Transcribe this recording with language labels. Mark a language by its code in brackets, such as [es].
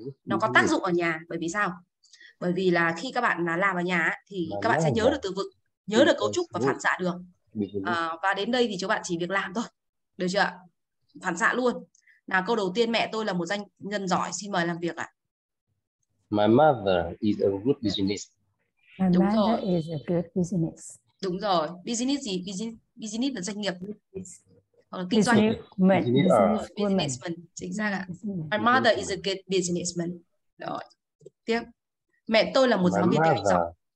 [vi] Nó có tác dụng ở nhà, bởi vì sao? Bởi vì là khi các bạn làm ở nhà thì các bạn sẽ nhớ được từ vựng, nhớ được cấu trúc và phản xạ được. Và đến đây thì các bạn chỉ việc làm thôi. Được chưa? Phản xạ luôn. Nào câu đầu tiên, mẹ tôi là một doanh nhân giỏi, xin mời làm việc ạ. [en] My mother is a good business. My [vi] Đúng [en] mother [vi] rồi. [en] is a good business. [vi] Đúng rồi. Business gì? Business là doanh nghiệp. Hoặc là kinh doanh. [en] Business woman. Business woman. [vi] Chính xác ạ. [en] My mother is a good businessman. [vi] Rồi. Tiếp. Mẹ tôi là một giáo viên tiếng Anh giỏi.